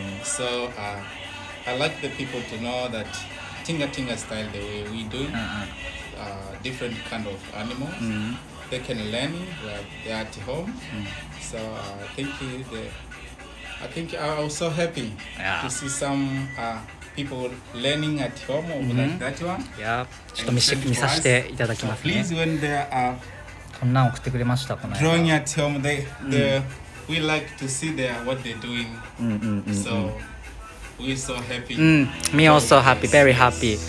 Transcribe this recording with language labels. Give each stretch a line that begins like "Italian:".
English: So, I like the people to know thatTinga Tinga style, the way we do, different kind of animals. Mm-hmm. They can learn where they are at home. Mm-hmm. So thank you. I think I was so happy to see some people learning at home over that one. Yeah.
Japanese: ちょっと見させていただきますね。
English: So、please, when they are,
Japanese: こんなん送ってくれましたこの間。
English: Drawing at home, they we like to see their what they're doing. So. We're so happy. Me also happy, very happy.